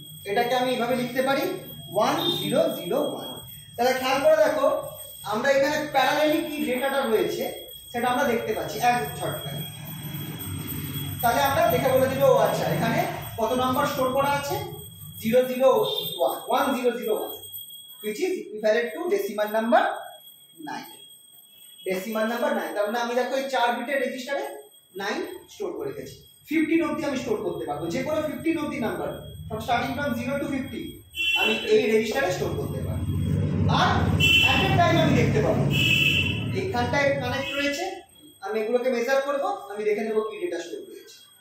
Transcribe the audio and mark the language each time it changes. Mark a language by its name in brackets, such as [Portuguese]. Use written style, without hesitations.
[Bangla] এটাকে আমি এইভাবে লিখতে পারি 1001। তাহলে খেয়াল করে দেখো আমরা এখানে প্যারালেলি কি ডেটাটা রয়েছে সেটা আমরা দেখতে পাচ্ছি এক ছটকায়। তাহলে আমরা দেখে বলে দিলো, ও আচ্ছা এখানে কত নম্বর স্টোর করা আছে? [English] 001, which is equivalent to decimal number 9, decimal number 9। [Bangla] তার মানে আমি দেখো এই 4 বিটের রেজিস্টারে 9 স্টোর করে রেখেছি। 15 অবধি আমি স্টোর করতে পারবো, যে কোনো 15 অবধি number, [English] from starting from 0 to 50 [Bangla] আমি এই রেজিস্টারে স্টোর করতে পারবো। আর অ্যাট এ টাইম আমি দেখতে পাবো এইখানটায় কানেক্ট রয়েছে, আমি এগুলোকে মেজার করবো, আমি দেখে নেবো কি ডেটা স্টোর রয়েছে।